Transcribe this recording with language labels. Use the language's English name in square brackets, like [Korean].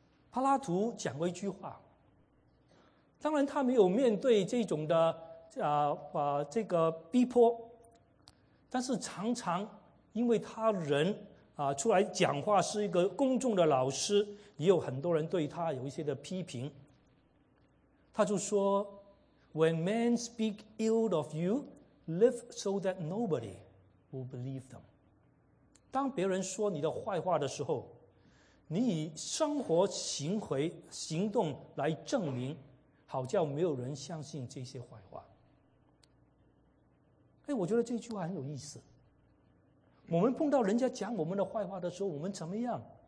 [Chinese] 柏拉图讲过一句话，当然他没有面对这种的这个逼迫，但是常常因为他人出来讲话是一个公众的老师，也有很多人对他有一些的批评。他就说 [English] When men speak ill of you, live so that nobody will believe them. [Chinese] 当别人说你的坏话的时候，你以生活行动来证明，好叫没有人相信这些坏话。我觉得这句话很有意思。我们碰到人家讲我们的坏话的时候，我们怎么样？